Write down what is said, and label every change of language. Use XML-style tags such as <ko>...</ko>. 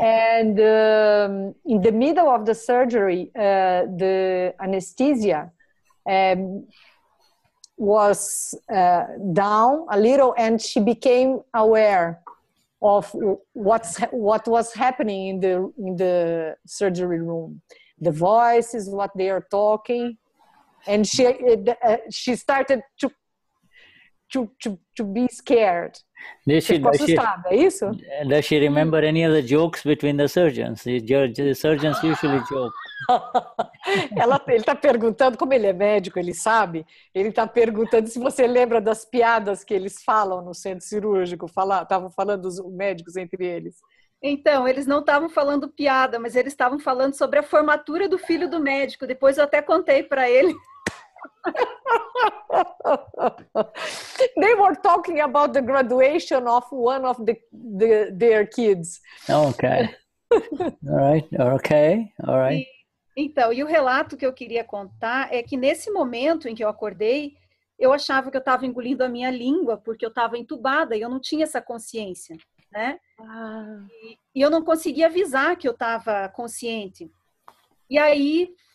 <en>And in the middle of the surgery, the anesthesia was down a little and she became aware of what was happening in the surgery room, the voices, what they are talking, and she started to be scared. Does she remember any of the jokes between the surgeons? The surgeons usually joke.</en> <pt>Ele está perguntando, como ele é médico, ele sabe, ele está perguntando se você lembra das piadas que eles falam no centro cirúrgico, estavam falando os médicos entre eles. Então, eles não estavam falando piada, mas eles estavam falando sobre a formatura do filho do médico, depois eu até contei para ele.</pt> <en>They were talking about the graduation of one of their kids. Okay. All right. Okay. All right.</en> <pt>Então, e o relato que eu queria contar é que nesse momento em que eu acordei, eu achava que eu estava engolindo a minha língua, porque eu estava entubada e eu não tinha essa consciência, né? E eu não conseguia avisar que eu estava consciente. E aí</pt>